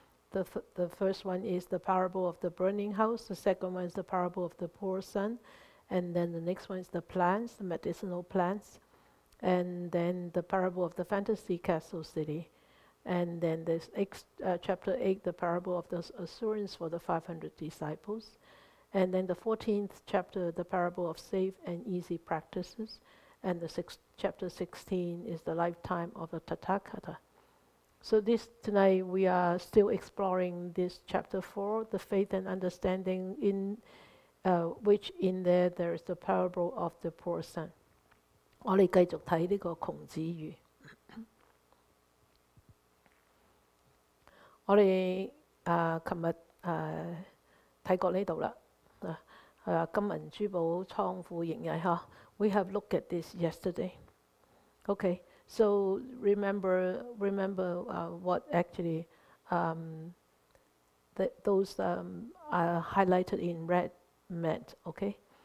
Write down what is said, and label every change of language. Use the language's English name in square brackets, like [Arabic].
[English] The first one is the parable of the burning house, the second one is the parable of the poor son, and then the next one is the plants, the medicinal plants, and then the parable of the fantasy castle city, and then this chapter 8, the parable of the assurance for the 500 disciples, and then the 14th chapter, the parable of safe and easy practices, and the chapter 16 is the lifetime of a Tathagata. So this tonight we are still exploring this chapter 4, the faith and understanding, in which in there is the parable of the poor son. [Cantonese] 我哋繼續睇呢個孔子語。我哋琴日睇過呢度啦。金銀珠寶倉庫盈日呵。 [English] We have looked at this yesterday. Okay, so remember what actually those are highlighted in red meant, okay?